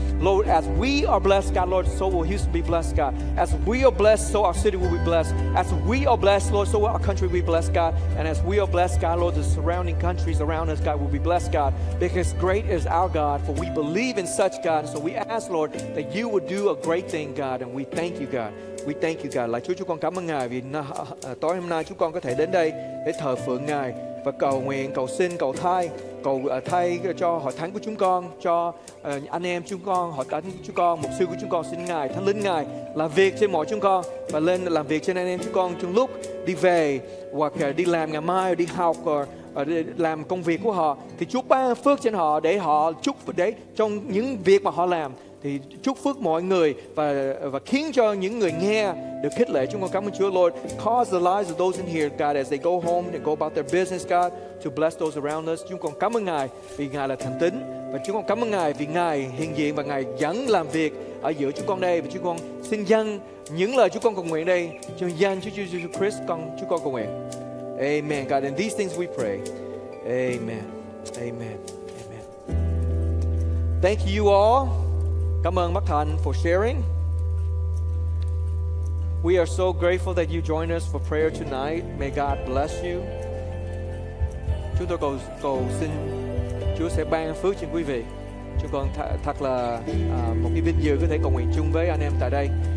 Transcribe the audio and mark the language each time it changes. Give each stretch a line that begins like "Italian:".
English: Lord, as we are blessed, God, Lord, so will Houston be blessed, God. As we are blessed, so our city will be blessed. As we are blessed, Lord, so will our country be blessed, God. And as we are blessed, God, Lord, the surrounding countries around us, God, will be blessed, God. Because great is our God, for we believe in such God. So we ask, Lord, that you would do a great thing, God, and we thank you, God. We thank you, God.
Vietnamese: Lạy Chúa, chúng con cảm ơn Ngài vì tối hôm nay chúng con có thể đến đây để thờ phượng Ngài và cầu nguyện, cầu xin, cầu thay, cầu thay cho hội thánh của chúng con, cho anh em chúng con, hội thánh của chúng con, mục sư của chúng con, xin Ngài, Thánh Linh Ngài làm việc trên mọi chúng con và lên làm việc trên anh em chúng con trong lúc đi về hoặc đi làm ngày mai, đi học làm công việc của họ, thì chúc ban phước trên họ để họ chúc để trong những việc mà họ làm thì chúc phước mọi người và khiến cho những người nghe được khích lệ. Chúng con cảm ơn Chúa.
English: Lord, cause the lives of those in here, God, as they go home and go about their business, God, to bless those around us.
Vietnamese: Chúng con cảm ơn Ngài vì Ngài là thành tín và chúng con cảm ơn Ngài vì Ngài hiện diện và Ngài vẫn làm việc ở giữa chúng con đây. Và chúng con xin dâng những lời chúng con cầu nguyện đây cho danh Chúa Jesus Christ, con chúng con cầu nguyện.
English: Amen, God. And these things we pray. Amen. Amen. Amen. Thank you all.
Vietnamese: Cảm ơn Bác Thành
English: for sharing. We are so grateful that you join us for prayer tonight. May God bless you.
Vietnamese: Chúng tôi cầu xin Chúa sẽ ban phước trên quý vị. Chúng con thật là một cái vinh dự có thể cầu nguyện chung với anh em tại đây.